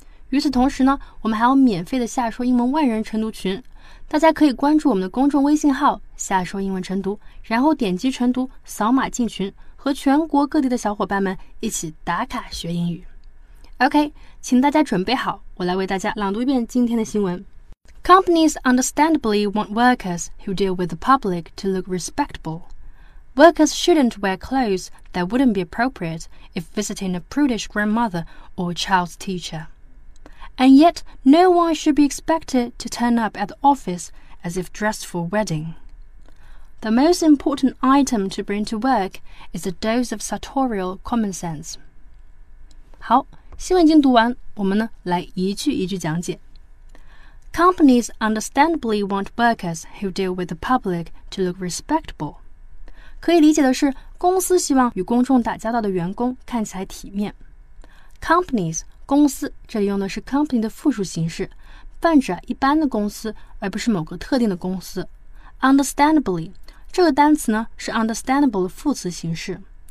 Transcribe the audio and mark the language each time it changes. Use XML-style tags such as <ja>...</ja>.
<zh>与此同时呢，我们还有免费的夏说英文万人晨读群，大家可以关注我们的公众微信号夏说英文晨读，然后点击晨读扫码进群，和全国各地的小伙伴们一起打卡学英语。 OK， 请大家准备好，我来为大家朗读一遍今天的新闻。</zh> <en>Companies understandably want workers who deal with the public to look respectable. Workers shouldn't wear clothes that wouldn't be appropriate if visiting a prudish grandmother or a child's teacher. And yet, no one should be expected to turn up at the office as if dressed for a wedding. The most important item to bring to work is a dose of sartorial common sense.</en> <zh>好，新闻已经读完，我们呢，来一句一句讲解。</zh> <en>Companies understandably want workers who deal with the public to look respectable.</en> <zh>可以理解的是，公司希望与公众打交道的员工看起来体面。 Companies,公司，这里用的是 company 的复数形式，泛指一般的公司，而不是某个特定的公司。 Understandably, 这个单词呢是 understandable 的副词形式。</zh>